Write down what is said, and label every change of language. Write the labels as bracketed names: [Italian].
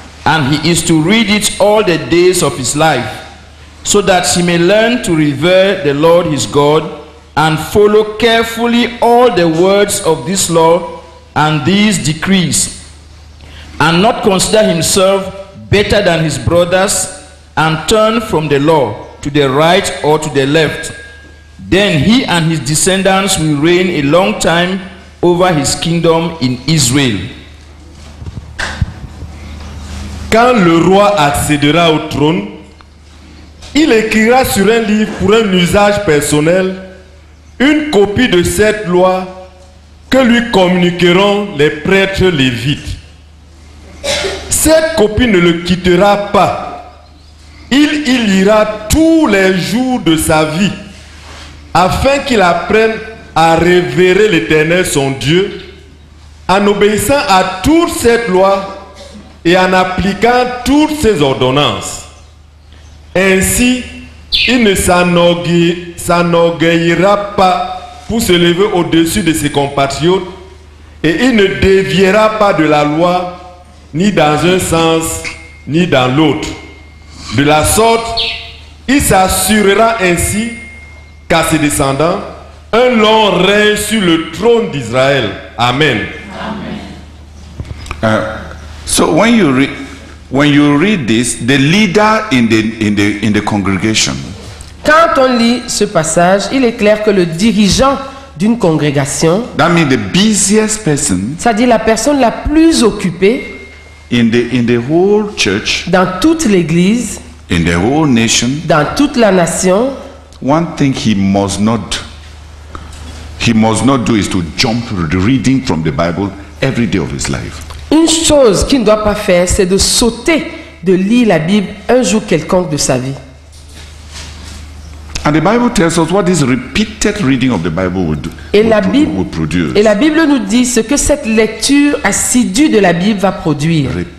[English] and he is to read it all the days of his life, so that he may learn to revere the Lord his God and follow carefully all the words of this law and these decrees, and not consider himself better than his brothers, and turn from the law to the right or to the left. Then he and his descendants will reign a long time over his kingdom in Israel. [French] Quand le roi accédera au trône, il écrira sur un livre pour un usage personnel une copie de cette loi que lui communiqueront les prêtres lévites. Cette copie ne le quittera pas. Il y lira tous les jours de sa vie afin qu'il apprenne à révérer l'Éternel son Dieu en obéissant à toute cette loi et en appliquant toutes ses ordonnances. Ainsi, il ne s'enorgueillira pas pour se lever au-dessus de ses compatriotes et il ne déviera pas de la loi ni dans un sens ni dans l'autre. De la sorte, il s'assurera ainsi qu'à ses descendants un long règne sur le trône d'Israël. Amen. Amen. [English] So when you read this, the leader in the congregation. [French] Quand on lit ce passage, il est clair que le dirigeant d'une congrégation, [English] that means the busiest person, [French] c'est-à-dire la personne la plus occupée, [English] in the whole church, [French] dans toute l'église, [English] in the whole nation, [French] dans toute la nation, [English] one thing he must not do is to jump reading from the Bible every day of his life. [French] Une chose qu'il ne doit pas faire, c'est de sauter de lire la Bible un jour quelconque de sa vie. [English] And the Bible tells us what this repeated reading of the Bible would produce. [French] Et la Bible nous dit ce que cette lecture assidue de la Bible va produire.